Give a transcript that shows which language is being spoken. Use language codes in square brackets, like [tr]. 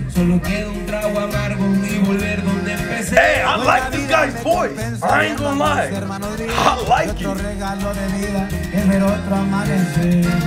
[es] Solo queda un trago amargo y volver donde empecé. [en] Hey, I like this guy's voice. I ain't gonna lie, I like it. [es] Regalo de vida es ver otro amanecer.